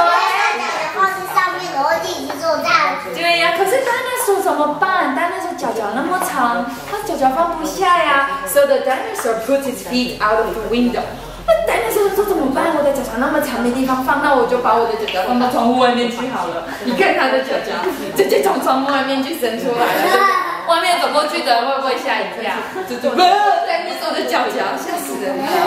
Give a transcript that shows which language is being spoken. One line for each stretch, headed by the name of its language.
Chinese: 我要脚脚放在上面，我会自己坐这样子。对呀，可是dinosaur怎么办？dinosaur脚脚那么长，他脚脚放不下呀。
English: So the dinosaur put his feet out of the window。
Chinese: 那戴尼说：“这怎么办？我的脚脚那么长，没地方放，那我就把我的脚脚放到窗户外面去好了。你看他的脚脚，直接从窗户外面去伸出来了，外面走过去的会不会吓一跳？这怎么？戴尼说的脚脚吓死人了。